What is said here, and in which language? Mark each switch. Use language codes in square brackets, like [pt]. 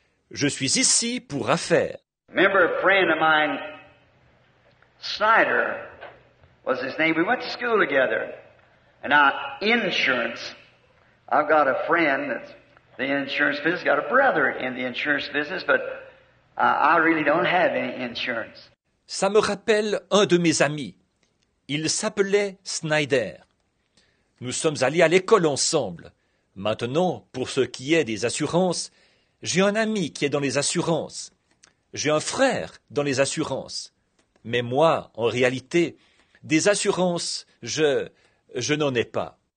[fr] Je suis ici pour affaires. [en] Remember a friend of mine, Snyder, was his name. We went to school together, and our insurance. I've got a friend that's the insurance business. I've got a brother in the insurance business, but I really don't have any insurance. [fr] Ça me rappelle un de mes amis. Il s'appelait Snyder. Nous sommes allés à l'école ensemble. Maintenant, pour ce qui est des assurances, j'ai un ami qui est dans les assurances. J'ai un frère dans les assurances. Mais moi, en réalité, des assurances, je n'en ai pas.